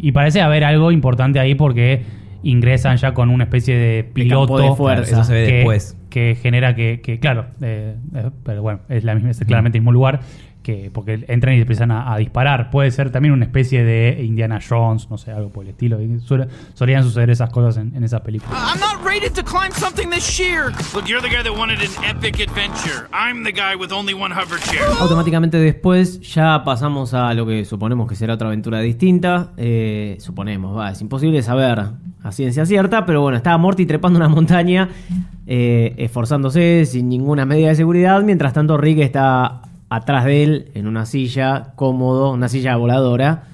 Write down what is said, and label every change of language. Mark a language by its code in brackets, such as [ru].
[es] Y parece haber algo importante ahí porque ingresan ya con una especie de piloto. De campo de fuerza. Eso se ve después. Que genera que claro, pero bueno, es la misma, es claramente el mismo lugar. Porque entran y empiezan a disparar. Puede ser también una especie de Indiana Jones, no sé, algo por el estilo. Solían suceder esas cosas en esas películas. [en] I'm not rated to climb something this sheer. Look, you're the guy that wanted an epic adventure. I'm the guy with only one hover chair. [es] Automáticamente después ya pasamos a lo que suponemos que será otra aventura distinta. Suponemos, va, es imposible saber a ciencia cierta, pero bueno, estaba Morty trepando una montaña, esforzándose sin ninguna medida de seguridad. Mientras tanto, Rick está atrás de él, en una silla, cómodo, una silla voladora.